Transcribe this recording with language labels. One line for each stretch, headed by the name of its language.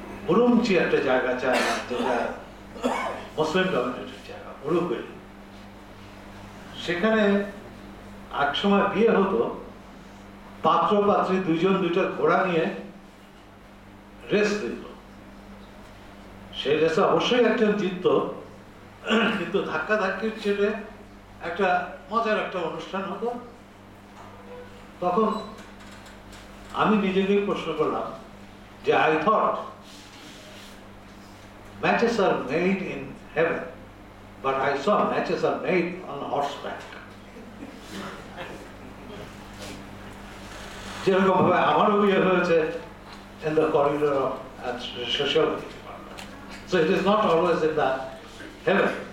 Bangla: উরুমচি একটা জায়গা চায় যেটা মুসলিম ডমিনেটেড জায়গা উরুগুয়ে, সেখানে একসময় বিয়ে হতো পাত্র পাত্রী দুজন দুটো ঘোড়া নিয়ে রেস দিত, সেই রেসে অবশ্যই একজন জিতত, কিন্তু ধাক্কাধাক্কির ছেড়ে একটা মজার একটা অনুষ্ঠান হতো. তখন আমি নিজেকে প্রশ্ন করলাম যে
English: I thought matches are made in heaven, but I saw matches are made on horseback.
Bangla: যেরকম ভাবে আমারও বিয়ে হয়েছে
English: In the corridor of sociology, so it is not always in the heaven.